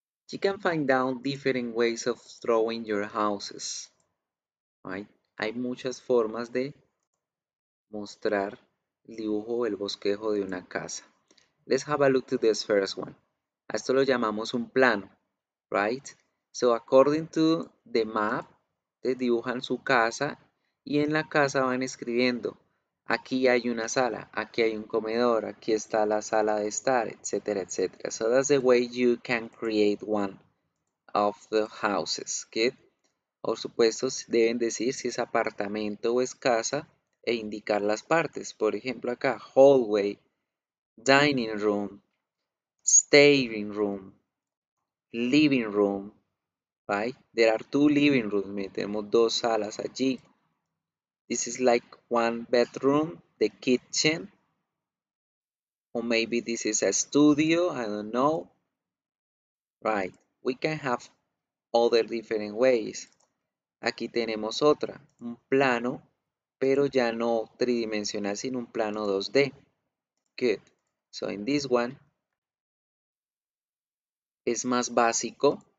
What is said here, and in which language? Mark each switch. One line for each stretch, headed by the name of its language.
English: You can find out different ways of drawing your houses. Right?
Spanish: Hay muchas formas de mostrar el dibujo o el bosquejo de una casa.
English: Let's have a look to this first one.
Spanish: A esto lo llamamos un plano. Right?
English: So according to the map,
Spanish: te dibujan su casa y en la casa van escribiendo. Aquí hay una sala, aquí hay un comedor, aquí está la sala de estar, etcétera, etcétera.
English: So that's the way you can create one of the houses, ¿okay?
Spanish: Por supuesto, deben decir si es apartamento o es casa e indicar las partes. Por ejemplo, acá,
English: hallway, dining room, staying room, living room, right? There are two living rooms, ¿me?
Spanish: Tenemos dos salas allí.
English: This is like one bedroom, the kitchen, or maybe this is a studio, I don't know. Right, we can have other different ways.
Spanish: Aquí tenemos otra, un plano, pero ya no tridimensional, sino un plano 2D. Good.
English: So in this one,
Spanish: es más básico.